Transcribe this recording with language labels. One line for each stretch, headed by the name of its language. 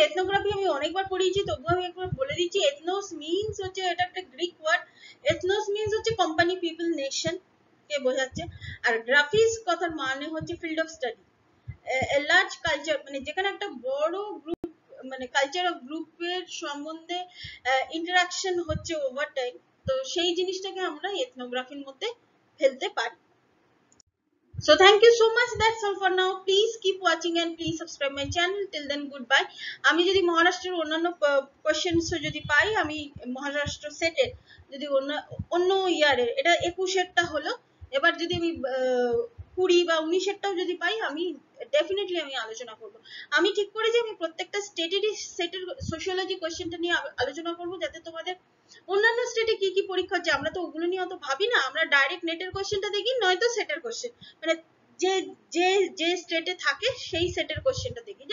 Bangla: Ethnography আমি অনেকবার পড়িয়েছি, তবুও আমি একবার বলে দিচ্ছি, এথনোস মিন্স হচ্ছে, এটা একটা গ্রিক ওয়ার্ড, এথনোস মিন্স হচ্ছে কোম্পানি, পিপল, নেশন কে বোঝাচ্ছে, আর গ্রাফিস কথার মানে হচ্ছে field of study, a large culture, মানে যেখানে একটা বড় গ্রুপ, মানে কালচার অফ গ্রুপের সম্বন্ধে ইন্টারাকশন হচ্ছে ওভার টাইম, তো সেই জিনিসটাকে আমরা এথনোগ্রাফির মধ্যে ফেলতে পারি।
English: So thank you so much, that's all for now, please keep watching and please subscribe my channel, till then goodbye.
Bangla: আমি যদি মহারাষ্ট্রের অন্যান্য questions যদি পাই, আমি মহারাষ্ট্র সেটের যদি অন্য অন্য ইয়ারের, এটা 21-এরটা হলো, এবার যদি আমি 20 বা 19-এরটাও যদি পাই, আমি ডেফিনেটলি আমি আলোচনা করব। আমি ঠিক করেছি আমি প্রত্যেকটা স্টেটেরই সেটের সোশিওলজি কোশ্চেনটা নিয়ে আলোচনা করব, যাতে তোমাদের অন্যান্য স্টেটে কি কি পরীক্ষা হচ্ছে, আমরা তো ওগুলো নিয়ে অত ভাবি না, আমরা ডাইরেক্ট নেটের কোশ্চেনটা দেখি, নয়তো সেটের কোশ্চেন, মানে যে যে যে স্টেটে থাকে সেই সেটের কোশ্চেনটা দেখি।